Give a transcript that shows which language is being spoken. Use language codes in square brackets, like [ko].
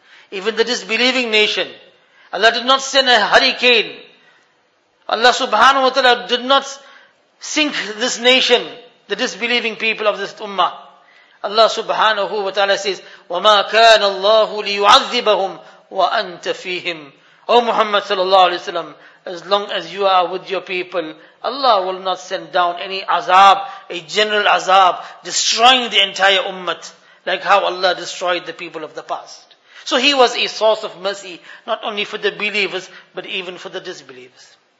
[en] Even the disbelieving nation, Allah did not send a hurricane. Allah subhanahu wa ta'ala did not sink this nation, the disbelieving people of this ummah. Allah subhanahu wa ta'ala says, [ar] وَمَا كَانَ اللَّهُ لِيُعَذِّبَهُمْ وَأَنْتَ فِيهِمْ. [en] O Muhammad sallallahu alayhi wa sallam, as long as you are with your people, Allah will not send down any azab, a general azab, destroying the entire ummah, like how Allah destroyed the people of the past. So he was a source of mercy, not only for the believers, but even for the disbelievers.